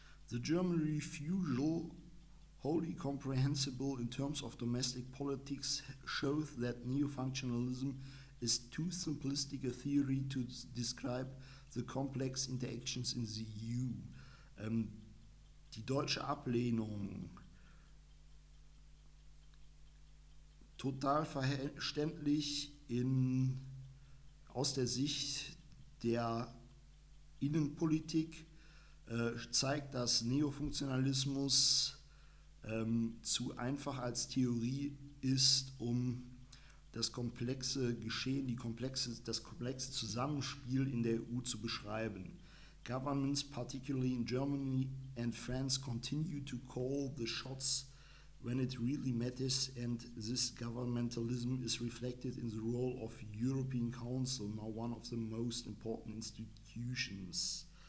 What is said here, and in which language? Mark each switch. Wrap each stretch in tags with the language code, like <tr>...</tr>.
<en>The German refusal, wholly comprehensible in terms of domestic politics, shows that neo-functionalism is too simplistic a theory to describe the complex interactions in the EU.</en> <de>Die deutsche Ablehnung, total verständlich aus der Sicht der Innenpolitik, zeigt, dass Neofunktionalismus zu einfach als Theorie ist, um das komplexe Geschehen, das komplexe Zusammenspiel in der EU zu beschreiben.</de> <en>Governments, particularly in Germany and France, continue to call the shots when it really matters, and this governmentalism is reflected in the role of European Council, now one of the most important institutions.</en>